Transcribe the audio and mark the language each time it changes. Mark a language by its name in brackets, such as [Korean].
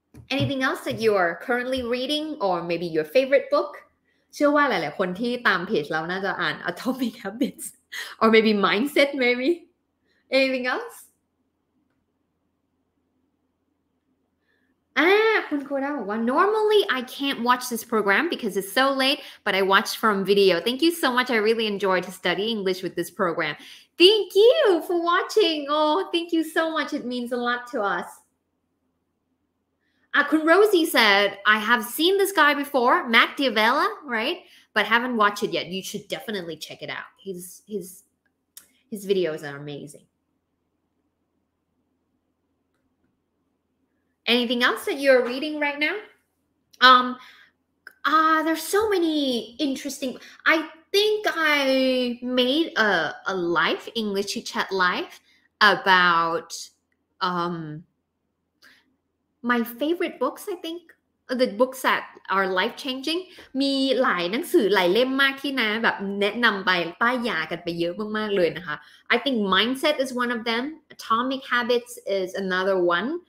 [English] Anything else that you are currently reading or maybe your favorite book? [Thai] เชื่อว่าหลายๆคนที่ตามเพจเราน่าจะอ่าน Atomic Habits [English] or maybe Mindset maybe. Anything else? [Thai] คุณโคด้าบอกว่า [English] normally I can't watch this program because it's so late but I watched from video. Thank you so much. I really enjoyed to study English with this program. Thank you for watching. Oh, thank you so much. It means a lot to us. คุณ Rosie said I have seen this guy before, Mac Diavella, right? But haven't watched it yet. You should definitely check it out. His videos are amazing. Anything else that you're reading right now? There's so many interesting. I think I made a live English chat live about my favorite books. I think the books that are life changing. [Thai] มีหลายหนังสือหลายเล่มมากที่นะแบบแนะนำไปป้ายยากันไปเยอะมากๆเลยนะคะ [English] I think Mindset is one of them. Atomic Habits is another one.